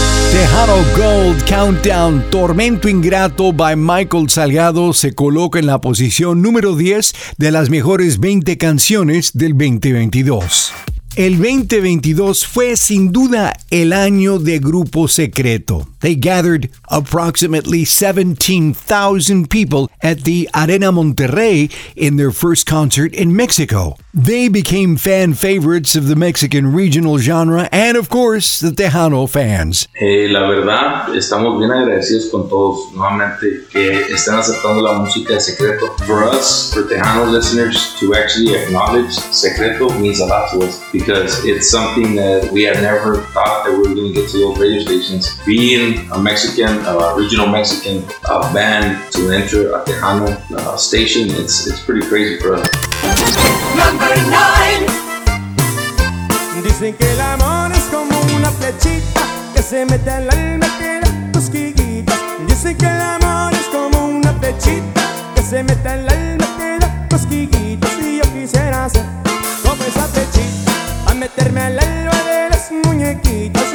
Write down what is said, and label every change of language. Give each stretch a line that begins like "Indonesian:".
Spanish: Tejano Gold Countdown, Tormento Ingrato by Michael Salgado se coloca en la posición número 10 de las mejores 20 canciones del 2022. El 2022 fue sin duda el año de Grupo Secreto.
English: They gathered approximately 17,000 people at the Arena Monterrey in their first concert in Mexico. They became fan favorites of the Mexican regional genre and, of course, the Tejano fans.
Spanish: La verdad, estamos bien agradecidos con todos nuevamente que están aceptando la música de Secreto.
English: For us, for Tejano listeners, to actually acknowledge Secreto means a lot to us, because because it's something that we had never thought that we were going to get to those radio stations. Being a Mexican, original Mexican band to enter a Tejano station, it's pretty crazy for us. Number 9.
Spanish: Dicen que el amor es como una flechita que se mete al alma que da cosquillitas. Dicen que el amor es como una flechita que se mete al alma que da cosquillitas. Y yo quisiera ser como esa flechita pa' meterme al alma de las muñequitas.